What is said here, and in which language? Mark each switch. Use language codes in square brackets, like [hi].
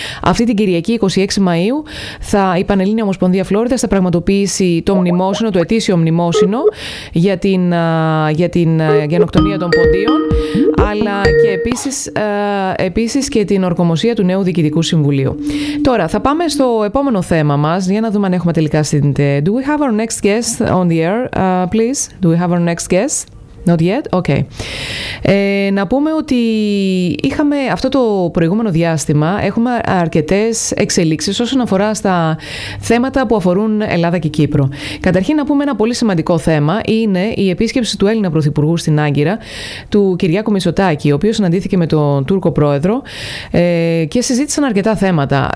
[el] Αυτή την Κυριακή, 26 Μαΐου, η Πανελλήνια Ομοσπονδία Φλόριδας θα πραγματοποιήσει το μνημόσυνο, το ετήσιο μνημόσυνο για την γενοκτονία των ποντίων, αλλά και επίσης και την ορκομοσία του νέου διοικητικού συμβουλίου. Τώρα θα πάμε στο επόμενο θέμα μας για να δούμε αν έχουμε τελικά συνδεθεί. [en] Do we have our next guest on the air, please? Do we have our next guest? Not yet? Okay. [el] Να πούμε ότι είχαμε αυτό το προηγούμενο διάστημα, έχουμε αρκετές εξελίξεις όσον αφορά στα θέματα που αφορούν Ελλάδα και Κύπρο. Καταρχήν να πούμε ένα πολύ σημαντικό θέμα είναι η επίσκεψη του Έλληνα Πρωθυπουργού στην Άγκυρα, του Κυριάκου Μητσοτάκη, ο οποίος συναντήθηκε με τον Τούρκο Πρόεδρο και συζήτησαν αρκετά θέματα.